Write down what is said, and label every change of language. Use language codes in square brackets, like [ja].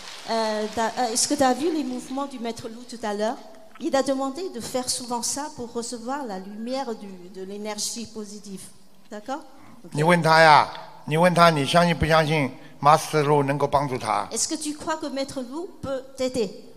[fr] Est-ce que tu as vu les mouvements du maître Lou tout à l'heure？ Il a demandé de faire souvent ça pour recevoir la lumière de l'énergie positive. D'accord? [zh] Okay. 你问他呀，你问他，你相信不相信 Master Lu 能够帮助他 [fr] ？Est-ce que tu crois que Maître Lu peut t'aider?